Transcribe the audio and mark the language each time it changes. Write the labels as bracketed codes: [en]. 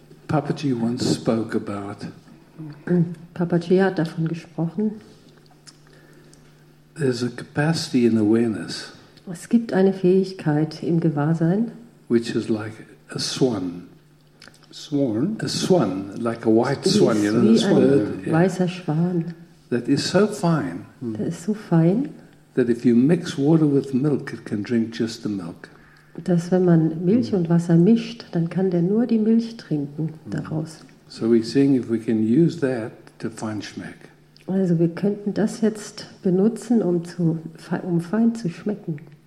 [en] Papaji once spoke about. [de] Papaji hat davon gesprochen. [en] There's a capacity in awareness. [de] Es gibt eine Fähigkeit im Gewahrsein. [en] Which is like a swan. Swan. A swan, like a white swan, you know, [de] wie [en] the swan. [de] Ein weißer Schwan. [en] That is so fine. [de] Das ist so fein. [en] That if you mix water with milk, it can drink just the milk. [de] Dass wenn man Milch und Wasser mischt, dann kann der nur die Milch trinken daraus. [en] So we're seeing if we can use that to feinschmeck. [de] Also wir könnten das jetzt benutzen, um fein zu schmecken.